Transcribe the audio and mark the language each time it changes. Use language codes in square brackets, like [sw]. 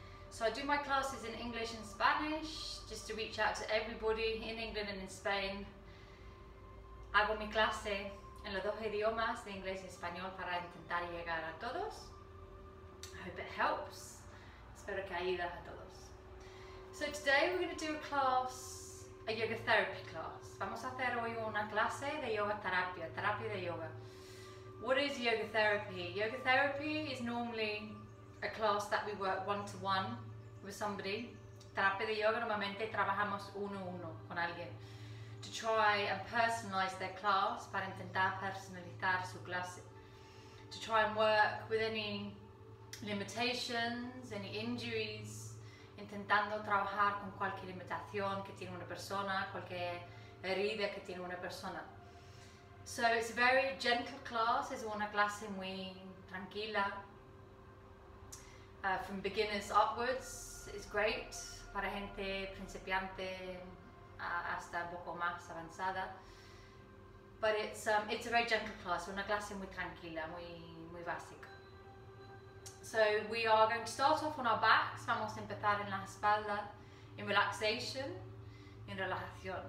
[en] So I do my classes in English and Spanish, just to reach out to everybody in England and in Spain. [es] Hago mi clase en los dos idiomas, de inglés y español, para intentar llegar a todos. [en] I hope it helps. [es] Espero que ayude a todos. [en] So today we're going to do a class, a yoga therapy class. [es] Vamos a hacer hoy una clase de yoga terapia, terapia de yoga. [en] What is yoga therapy? Yoga therapy is normally a class that we work one-to-one with somebody. [es] Terapia de yoga, normalmente trabajamos uno-uno con alguien. [en] To try and personalize their class, [es] para intentar personalizar su clase. [en] To try and work with any limitations, any injuries. [es] Intentando trabajar con cualquier limitación que tiene una persona, cualquier herida que tiene una persona. [en] So it's a very gentle class, [es] es una clase muy tranquila. [en] From beginners upwards, it's great [es] para gente principiante hasta un poco más avanzada. [en] But it's a very gentle class, [es] una clase muy tranquila, muy básica. [en] So we are going to start off on our backs. [es] Vamos a empezar en la espalda, [en] in relaxation, [es] in relajación.